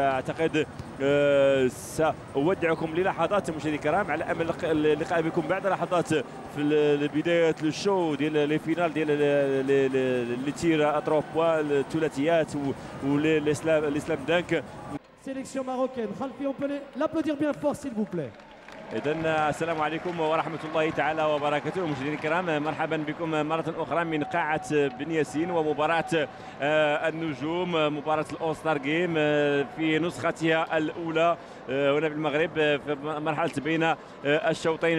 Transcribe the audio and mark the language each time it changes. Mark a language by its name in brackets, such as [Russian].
[Arabic] أعتقد سأودعكم للحظات مشاهدي الكرام على أمل اللقاء بكم بعد لحظات في بداية الشو ديال لي فينال ديال لي تير أتروبوا الثلاثيات والإسلام دانك. [French] Sélection marocaine. Khalfi, on peut l'applaudir bien fort, s'il vous plaît. [Arabic] إذن السلام عليكم ورحمة الله تعالى وبركاته. مشاهدينا الكرام مرحبا بكم مرة أخرى من قاعة بن ياسين ومباراة النجوم، مباراة الأوستار جيم في نسختها الأولى هنا في المغرب في مرحلة بين الشوطين.